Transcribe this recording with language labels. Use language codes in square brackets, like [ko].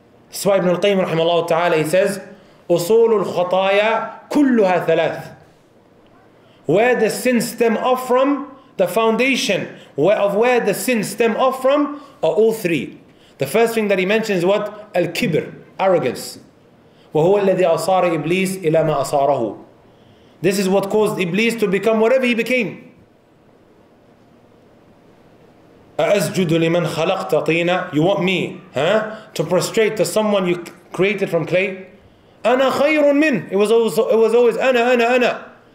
[en] Sawa ibn al-Qayyim rahimahullah ta'ala, he says, [ar] usulul khataya kulluha thalath. [en] Where the sins stem off from, the foundation of where the sins stem off from are all three. The first thing that he mentions is what? Al-kibr, arrogance. [ar] وهو الذي أصار إبليس إلى ما أصاره. [en] This is what caused Iblis to become whatever he became. [ar] أَأَسْجُدُ لِمَنْ خَلَقْتَ طِينَ. [en] You want me, huh? To prostrate to someone you created from clay? [ar] أَنَا خَيْرٌ مِنْ. [en] It was always أَنَا.